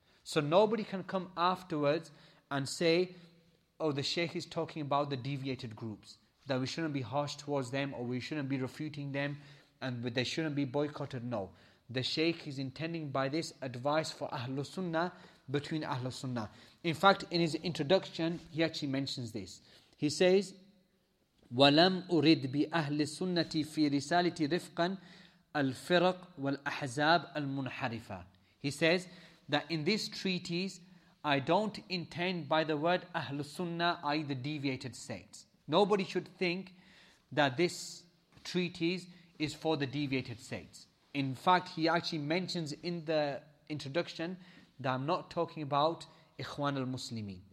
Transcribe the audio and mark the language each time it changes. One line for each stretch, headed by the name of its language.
English: So nobody can come afterwards and say, oh, the Shaykh is talking about the deviated groups, that we shouldn't be harsh towards them or we shouldn't be refuting them and they shouldn't be boycotted. No. The Shaykh is intending by this advice for Ahlul Sunnah between Ahlul Sunnah. In fact, in his introduction, he actually mentions this. He says,
Arabic: وَلَمْ أُرِدْ بِأَهْلِ السُنَّةِ فِي رِسَالَةِ رِفْقًا الْفِرَقْ وَالْأَحْزَابِ الْمُنْحَرِفَةِ.
English: He says that in this treatise, I don't intend by the word Ahlul Sunnah, i.e. the deviated sects. Nobody should think that this treatise is for the deviated sects. In fact, he actually mentions in the introduction that I'm not talking about Ikhwan al-Muslimin.